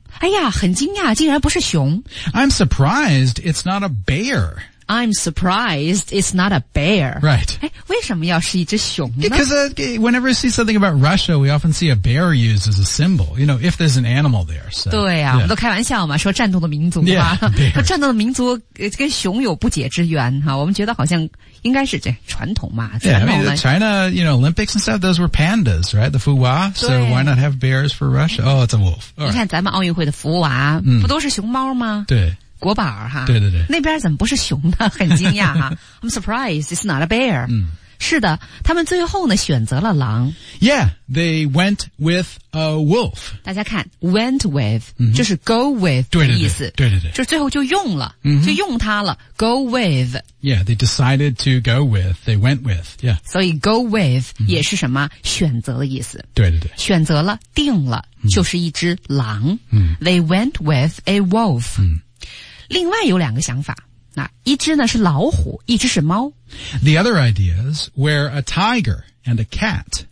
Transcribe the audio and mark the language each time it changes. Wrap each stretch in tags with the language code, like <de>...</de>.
<zh>哎呀,很惊讶, 竟然不是熊。</zh> <en>I'm surprised it's not a bear. I'm surprised it's not a bear. Right.</en> <zh>哎,为什么要是一只熊呢?</zh> <en>Because whenever you see something about Russia, we often see a bear used as a symbol, you know, if there's an animal there. So,</en> <zh>对啊,我们都开玩笑嘛,说战斗的民族嘛。</zh> <en>Yeah, bears.</en> <zh>战斗的民族跟熊有不解之缘,我们觉得好像应该是这传统嘛。</zh> <en>Yeah, I mean, the China, you know, Olympics and stuff, those were pandas, right? The 福娃, so why not have bears for Russia? Oh, it's a wolf. All right.</en> <zh>你看咱们奥运会的福娃,不都是熊猫吗? 对。国宝哈，那边怎么不是熊呢？很惊讶哈。</zh> <en>I'm surprised it's not a bear.</en> <zh>是的，他们最后呢选择了狼。Yeah,</zh> <en>they went with a wolf.</en> <zh>大家看 went with 就是 go with 的意思，对对对，就是最后就用了，就用它了。Go</zh> <en>with. Yeah, they decided to go with. They went with. Yeah.</en> <zh>所以 go with 也是什么选择的意思。对对对，选择了定了就是一只狼。</zh> <en>They went with a wolf.</en> <zh>另外有两个想法，那一只呢是老虎，一只是猫。</zh> <en>The other ideas were a tiger and a cat.</en>